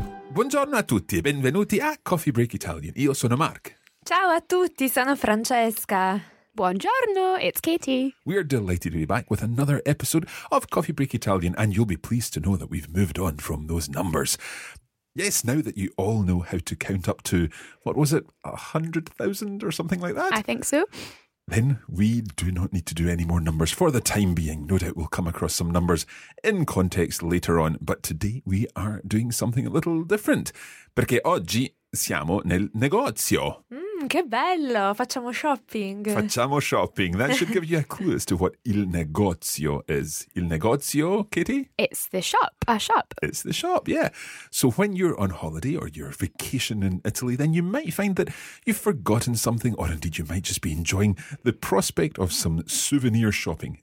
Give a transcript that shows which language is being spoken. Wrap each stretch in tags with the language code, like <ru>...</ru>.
<it>Buongiorno a tutti e benvenuti a Coffee Break Italian. Io sono Mark. Ciao a tutti, sono Francesca.</it> <en>Buongiorno, it's Katie. We are delighted to be back with another episode of Coffee Break Italian, and you'll be pleased to know that we've moved on from those numbers. Yes, now that you all know how to count up to, what was it, 100,000 or something like that? I think so. Then we do not need to do any more numbers for the time being. No doubt we'll come across some numbers in context later on. But today we are doing something a little different.</en> <it>Perché oggi siamo nel negozio. Che bello! Facciamo shopping. Facciamo shopping.</it> <en>That should give you a clue as to what il negozio is.</en> <it>Il negozio, Katie?</it> <en>It's the shop. A shop. It's the shop, yeah. So when you're on holiday or you're vacation in Italy, then you might find that you've forgotten something, or indeed you might just be enjoying the prospect of some souvenir shopping.</en>